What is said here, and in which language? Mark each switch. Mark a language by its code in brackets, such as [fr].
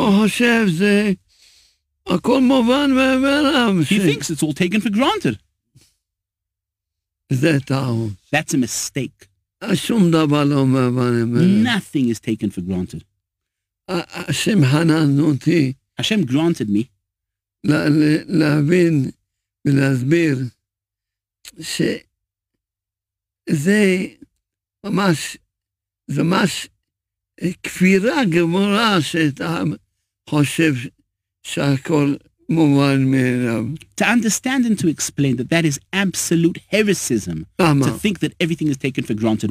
[en] Oh, Hashem, [he] זה... הכל מובן מאליו. [en] He thinks it's all taken for granted. [he] זה טעות. [en] That's a mistake. [he] שום דבר לא מובן מאליו. [en] Nothing is taken for granted. [he] השם הנן אותי. [en] Hashem granted me. [he] להבין ולהסביר שזה ממש, זה ממש כפירה גמורה שאתה חושב שהכל מובן מאליו. [en] To understand and to explain that that is absolute heresism. [he] למה? [en] To think that everything is taken for granted.